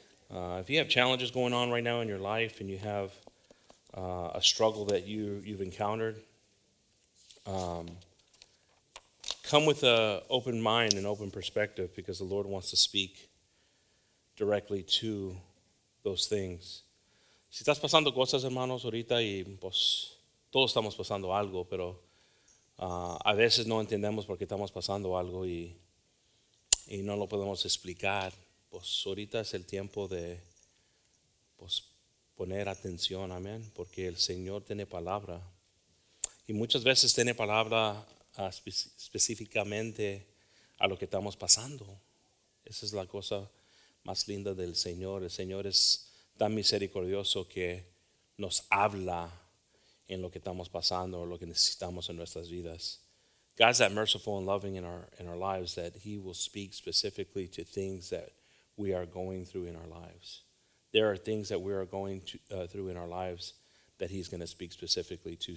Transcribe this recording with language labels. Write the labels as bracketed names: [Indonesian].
[English] If you have challenges going on right now in your life and you have a struggle that you've encountered, come with an open mind and open perspective, because the Lord wants to speak directly to those things. [Spanish] Si estás pasando cosas, hermanos, ahorita, y pues todos estamos pasando algo, pero a veces no entendemos por qué estamos pasando algo y no lo podemos explicar. Pues ahorita es el tiempo de pues poner atención, amén, porque el Señor tiene palabra. Y muchas veces tiene palabra específicamente a lo que estamos pasando. Esa es la cosa más linda del Señor. El Señor es tan misericordioso que nos habla en lo que estamos pasando o lo que necesitamos en nuestras vidas. [English] God's that merciful and loving in our lives, that he will speak specifically to things that we are going through in our lives. There are things that we are going to, through in our lives that he's going to speak specifically to.